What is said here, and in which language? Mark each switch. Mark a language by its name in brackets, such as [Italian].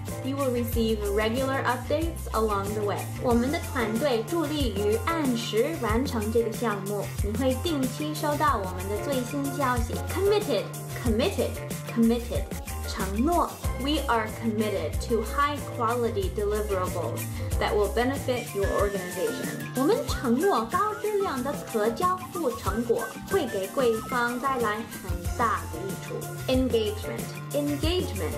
[English] You will receive regular updates along the way. [Chinese] 我们的团队助力于按时完成这个项目，你会定期收到我们的最新消息。 [English] committed承诺 We are committed to high quality deliverables that will benefit your organization. [Chinese] 我们承诺高质量的可交付成果会给贵方带来很大的益处。